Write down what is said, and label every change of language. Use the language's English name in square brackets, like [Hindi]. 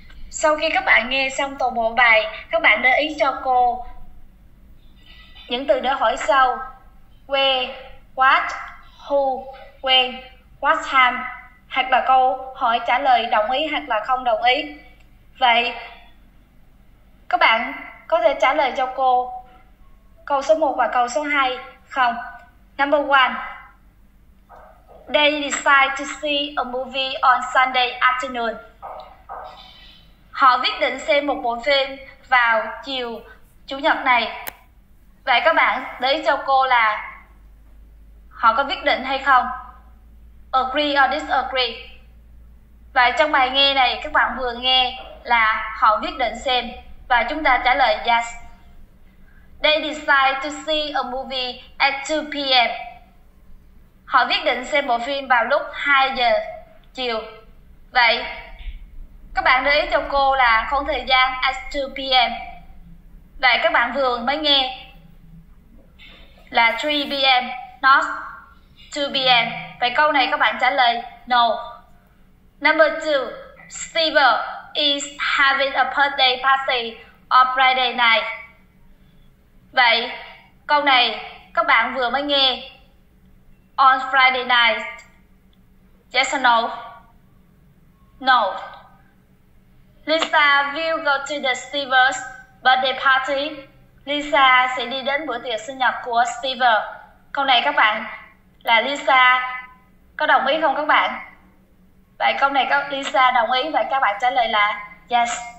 [Vietnamese] Sau khi các bạn nghe xong toàn bộ bài, các bạn để ý cho cô những từ để hỏi sau: [English] where, what, who, when, what time, [Vietnamese] hoặc là câu hỏi trả lời đồng ý hoặc là không đồng ý. Vậy các bạn có thể trả lời cho cô câu số 1 và câu số 2 không? [English] Number 1. They decide to see a movie on Sunday afternoon. [Vietnamese] Họ quyết định xem một bộ phim vào chiều Chủ nhật này. Vậy các bạn để ý cho cô là họ có quyết định hay không? [English] Agree or disagree? [Vietnamese] Và trong bài nghe này các bạn vừa nghe là họ quyết định xem và chúng ta trả lời yes. [English] They decide to see a movie at 2 p.m. [Vietnamese] Họ quyết định xem bộ phim vào lúc 2 giờ chiều. Vậy các bạn để ý cho cô là khoảng thời gian at 2 p.m. Vậy các bạn vừa mới nghe là 3 p.m. [English] not 2 p.m. [Vietnamese] Vậy câu này các bạn trả lời no. [English] Number 2. Steve is having a birthday party on Friday night. [Vietnamese] Vậy câu này các bạn vừa mới nghe on Friday night. [English] Yes or no? No. Lisa will go to the Steve's birthday party. [Vietnamese] Lisa sẽ đi đến bữa tiệc sinh nhật của Steve. Câu này các bạn là Lisa có đồng ý không các bạn? Vậy câu này các Lisa đồng ý và các bạn trả lời là yes.